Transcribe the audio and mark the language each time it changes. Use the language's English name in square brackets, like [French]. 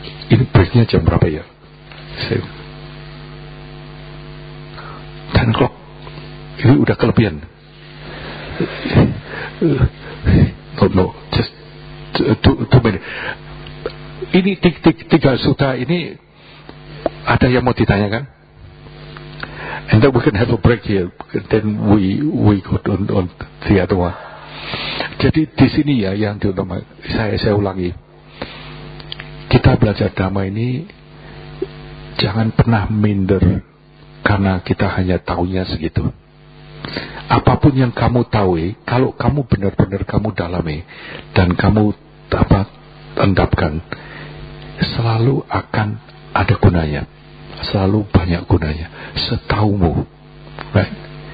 [Indonesian] Ini breaknya jam berapa ya? Saya [English] 10 o'clock, [Indonesian] ini udah kelebihan. [English] No, just 2 minutes. [Indonesian] ini tiga suta ini ada yang mau ditanyakan? [English] And then we can have a break here. Then we go on the other one. [Indonesian] Jadi di sini ya yang terutama saya ulangi, kita belajar dhamma ini jangan pernah minder karena kita hanya tahunya segitu. Apapun yang kamu tahu, kalau kamu benar-benar kamu dalami dan kamu dapat endapkan, selalu akan ada gunanya, selalu banyak gunanya setaumu, right?